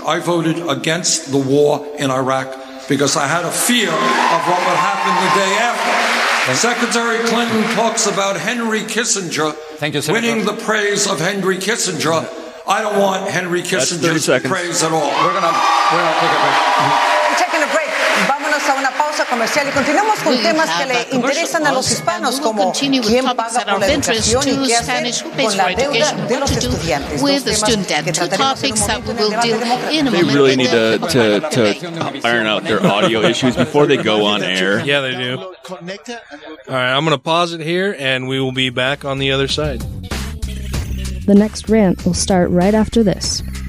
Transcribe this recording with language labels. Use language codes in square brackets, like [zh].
[en] I voted against the war in Iraq because I had a fear of what would happen the day after. Secretary Clinton talks about Henry Kissinger winning the praise of Henry Kissinger. I don't want Henry Kissinger's praise at all. We're going to take a break. [es] Vámonos a una pausa comercial y continuamos con temas que le interesan a los hispanos, como quién paga por la educación y qué hace con la deuda de los estudiantes. Dos temas que trataremos en un momento en el debate democrático. [en] They really need to iron out their audio issues before they go on air. Yeah, they do. All right, I'm going to pause it here, and we will be back on the other side. The next rant will start right after this.